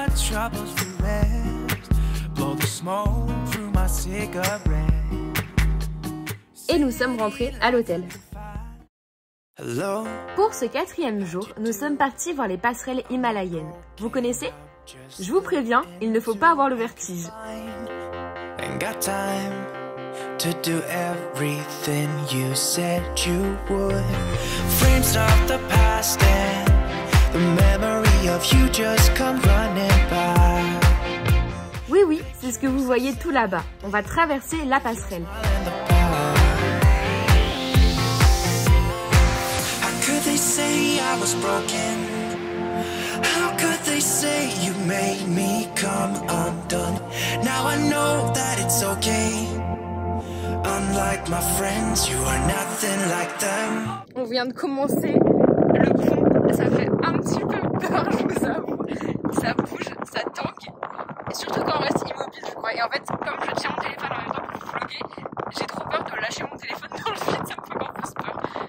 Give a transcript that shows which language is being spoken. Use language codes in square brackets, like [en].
[en] Troubles to rest, blow the smoke through my cigarette. [fr] Et nous sommes rentrés à l'hôtel. Hello. Pour ce quatrième jour, nous sommes partis voir les passerelles himalayennes. Vous connaissez? Je vous préviens, il ne faut pas avoir le vertige. [en] And got time to do everything you said you would. Frames of the past and the memory of you just come running by. [fr] Oui, oui, c'est ce que vous voyez tout là-bas. On va traverser la passerelle. [en] How could they say I was broken? How could they say you made me come undone? Now I know that it's okay. Unlike my friends, you are nothing like them. [fr] On vient de commencer le pont. Ça fait un petit peu peur. soir, je vous avoue, ça bouge, ça tangue. Et surtout quand on reste immobile, je crois. Et en fait, comme je tiens mon téléphone en même temps pour vlogger, j'ai trop peur de lâcher mon téléphone dans le vide, ça me fait encore plus peur.